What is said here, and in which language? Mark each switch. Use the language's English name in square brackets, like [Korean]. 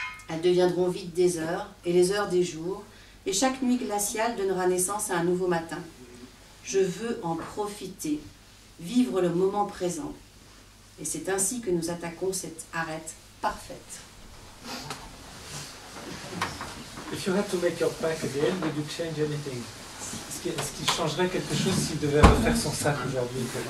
[French] Elles deviendront vite des heures et les heures des jours, et chaque nuit glaciale donnera naissance à un nouveau matin. Je veux en profiter, vivre le moment présent. Et c'est ainsi que nous attaquons cette arête parfaite. [English] If you had to make your pack at the end, would you change anything? [French] Est-ce qu'il changerait quelque chose s'il devait refaire son sac aujourd'hui?